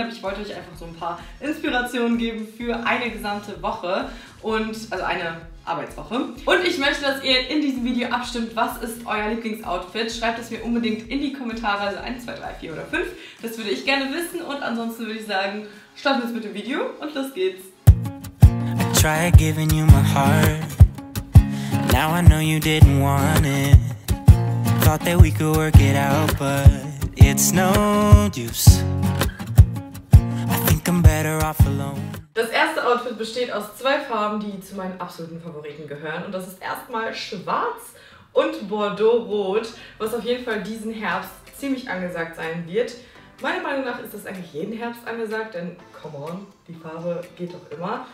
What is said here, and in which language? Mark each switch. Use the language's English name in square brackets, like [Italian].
[German] Aber ich wollte euch einfach so ein paar Inspirationen geben für eine gesamte Woche und also eine Arbeitswoche. Und ich möchte, dass ihr in diesem Video abstimmt, was ist euer Lieblingsoutfit. Schreibt es mir unbedingt in die Kommentare, also 1, 2, 3, 4 oder 5. Das würde ich gerne wissen und ansonsten würde ich sagen, starten wir jetzt mit dem Video und los geht's. [English] I tried giving you my heart. Now I know you didn't want it. Thought that we could work it out, but it's no use. I think I'm better off alone. [German] Das erste Outfit besteht aus 2 Farben, die zu meinen absoluten Favoriten gehören. Und das ist erstmal schwarz und Bordeaux-Rot, was auf jeden Fall diesen Herbst ziemlich angesagt sein wird. Meiner Meinung nach ist das eigentlich jeden Herbst angesagt, denn [English] come on, [German] die Farbe geht doch immer.